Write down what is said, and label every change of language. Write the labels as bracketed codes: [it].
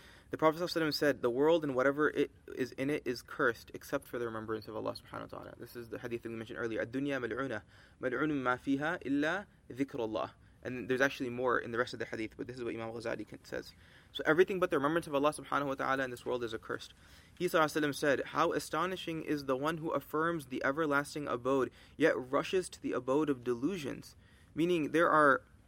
[en] The Prophet ﷺ said, the world and whatever it is in it is cursed, except for the remembrance of Allah subhanahu wa ta'ala. This is the hadith that we mentioned earlier. [ar] الدنيا ملعونة ملعون ما فيها إلا ذكر الله. [en] And there's actually more in the rest of the hadith, but this is what Imam Ghazali says. So everything but the remembrance of Allah subhanahu wa ta'ala in this world is accursed. He said, how astonishing is the one who affirms the everlasting abode, yet rushes to the abode of delusions. Meaning there are...